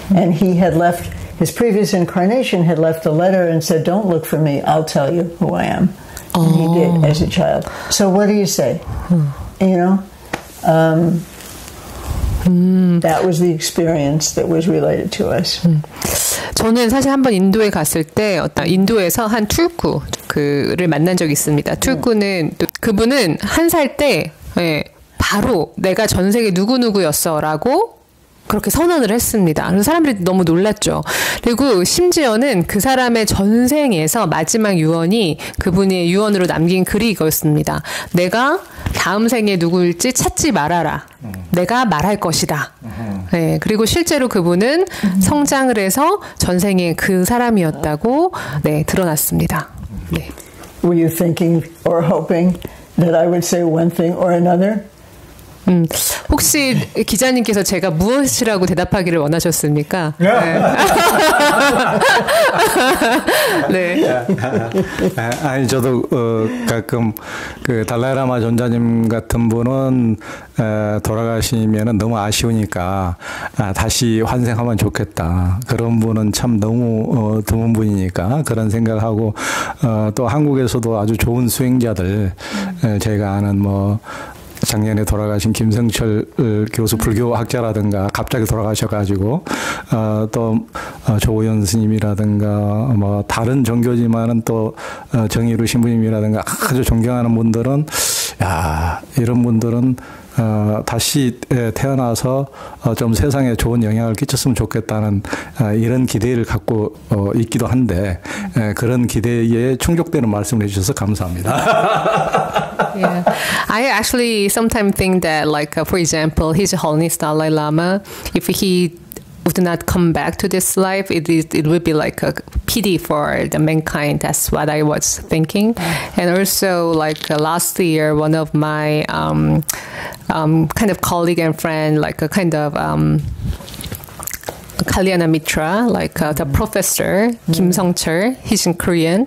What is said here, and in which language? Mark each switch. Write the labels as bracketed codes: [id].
[en] And he had left, his previous incarnation had left a letter and said, don't look for me, I'll tell you who I am. And he did as a child. So what do you say? You know? That was the experience that was related to us. [ko] 저는 사실 한번 인도에 갔을 때 어떤 인도에서 한 툴쿠 그를 만난 적이 있습니다. 툴쿠는 또 그분은 한 살 때 예, 바로 내가 전 세계 누구누구였어라고 그렇게 선언을 했습니다. 그래서 사람들이 너무 놀랐죠. 그리고 심지어는 그 사람의 전생에서 마지막 유언이 그분의 유언으로 남긴 글이 이거였습니다. 내가 다음 생에 누구일지 찾지 말아라. 내가 말할 것이다. 네, 그리고 실제로 그분은 성장을 해서 전생에 그 사람이었다고 네, 드러났습니다. 네. [en] Were you thinking or hoping that I would say one thing or another? [ko] 혹시 기자님께서 제가 무엇이라고 대답하기를 원하셨습니까? [en] Yeah. [ko] 네. 아니 저도 가끔 그 달라이라마 존자님 같은 분은 돌아가시면은 너무 아쉬우니까 다시 환생하면 좋겠다. 그런 분은 참 너무 드문 분이니까 그런 생각하고 또 한국에서도 아주 좋은 수행자들 제가 아는 뭐. 작년에 돌아가신 김성철 교수 불교학자라든가 갑자기 돌아가셔가지고 또 조호연 스님이라든가 뭐 다른 종교지만은 또 정의로 신부님이라든가 아주 존경하는 분들은 야 이런 분들은 다시 태어나서 좀 세상에 좋은 영향을 끼쳤으면 좋겠다는 이런 기대를 갖고 있기도 한데 그런 기대에 충족되는 말씀을 해주셔서 감사합니다. [en] Yeah. I actually sometimes think that, like, for example, His Holiness Dalai Lama, if he would not come back to this life, it would be like a pity for the mankind. That's what I was thinking. And also, like, last year, one of my kind of colleague and friend, like a kind of Kalyana Mitra, like the professor Kim Sung-chul, he's in Korean.